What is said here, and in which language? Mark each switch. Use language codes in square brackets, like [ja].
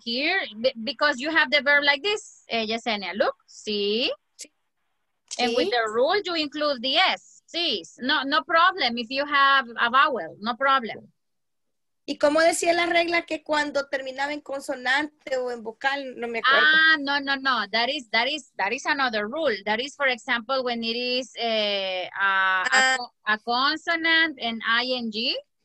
[en] Here, because you have the verb like this, Yesenia. Look, see? Sí. And with the rule, you include the S. Sí. No, no problem if you have a vowel. No problem. [es] ¿Y cómo decía la regla que cuando terminaba en consonante o en vocal? No me acuerdo. [en] Ah, no, no, no. That is another rule. That is, for example, when it is a consonant and ing.